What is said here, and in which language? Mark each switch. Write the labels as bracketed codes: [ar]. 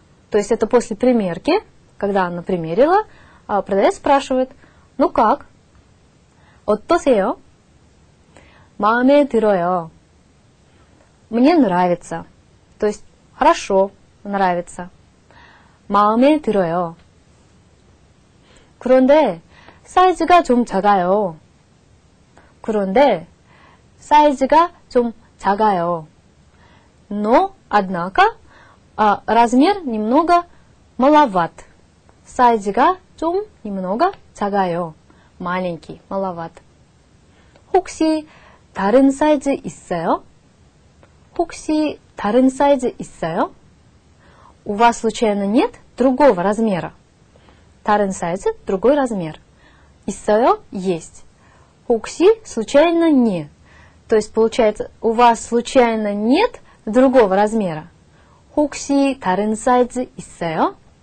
[ru] То есть это после примерки, когда она примерила, продавец спрашивает, ну как? [ko] 어떠세요? 마음에 들어요. [ru] Мне нравится. То есть хорошо, нравится. [ko] 마음에 들어요. 그런데 사이즈가 좀 작아요. 그런데 사이즈가 좀 작아요. [ru] Но, однако, размер немного маловат. [ko] 사이즈가 좀 [ru] немного [ko] 작아요. [ru] Маленький, маловат. [ko] 혹시 다른 사이즈 있어요? 혹시 다른 사이즈 있어요? [ru] У вас случайно нет другого размера? [ko] 다른 사이즈, [ru] другой размер. [ko] 있어요? [ru] Есть. 혹시 случайно не? То есть получается, у вас случайно нет другого размера? [ko] 혹시 다른 사이즈 있어요?